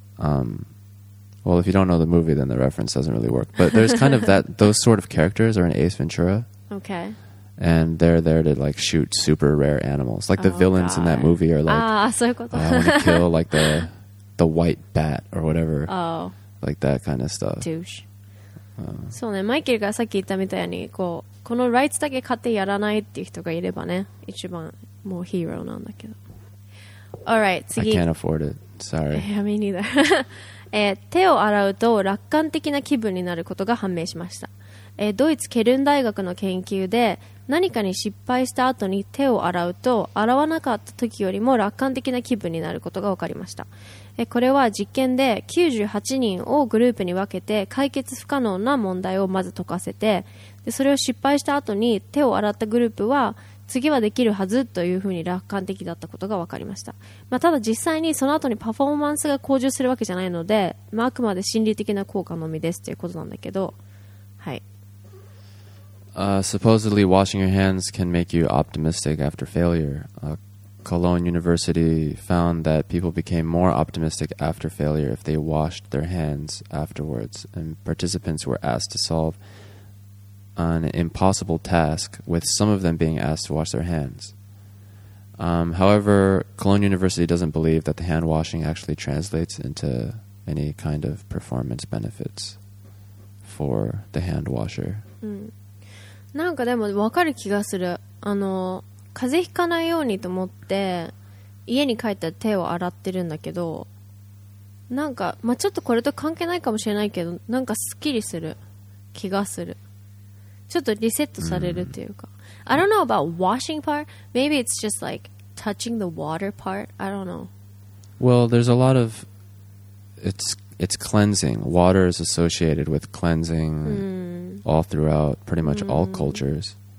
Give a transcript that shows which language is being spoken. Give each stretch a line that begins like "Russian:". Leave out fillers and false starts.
English: if you don't know the movie, then the reference doesn't really work. But there's kind of that... Those sort of characters are in Ace Ventura. Okay. And they're there to like shoot super rare animals. Like the villains in that movie are like,
Japanese: そういうこと。
English: I want to kill like the white bat or whatever. Oh, like that kind of stuff. Douche.
Japanese: そうね、マイケルがさっき言ったみたいに、こうこのライツだけ買ってやらないっていう人がいればね、一番もうヒーローなんだけど。
English: All right,
Japanese: 次。
English: I can't afford it. Sorry. Yeah, me neither.
Japanese: 手を洗うと楽観的な気分になることが判明しました。ドイツケルン大学の研究で何かに失敗した後に手を洗うと洗わなかった時よりも楽観的な気分になることが分かりました。これは実験で98人をグループに分けて解決不可能な問題をまず解かせて、でそれを失敗した後に手を洗ったグループは次はできるはずというふうに楽観的だったことが分かりました、まあ、ただ実際にその後にパフォーマンスが向上するわけじゃないので、まあ、あくまで心理的な効果のみですということなんだけど、はい。
English: Supposedly washing your hands can make you optimistic after failure. Cologne University found that people became more optimistic after failure if they washed their hands afterwards, and participants were asked to solve an impossible task, with some of them being asked to wash their hands. However, Cologne University doesn't believe that the hand washing actually translates into any kind of performance benefits for the hand washer. Mm.
Japanese: なんかでも分かる気がする。あの風邪ひかないようにと思って家に帰ったら手を洗ってるんだけど、なんか、まあ、ちょっとこれと関係ないかもしれないけど、なんかすっきりする気がする。ちょっとリセットされるっていうか、
English: mm. I don't know about washing part. Maybe it's just like touching the water part. I don't know. Well, there's a lot of it's cleansing. Water is associated with cleansing all throughout pretty much all cultures.